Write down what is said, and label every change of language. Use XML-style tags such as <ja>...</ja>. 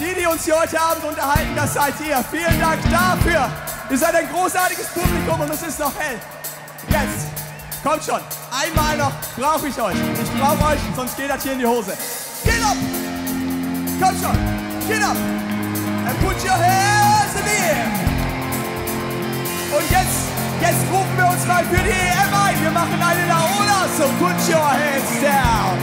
<de>uns hier heute Abend unterhalten, das seid ihr. Vielen Dank dafür. Ihr seid ein großartiges Publikum und es ist noch hell. Jetzt, kommt schon. Einmal noch brauche ich euch. Ich brauche euch, sonst geht das hier in die Hose.</de> <en>Get up!</en> <de>Kommt schon,</de> <en>get up! And put your hands in the air!</en> <de>Und jetzt rufen wir uns mal für die EM ein. Wir machen eine Laola,</de> <en>so put your hands down.</en>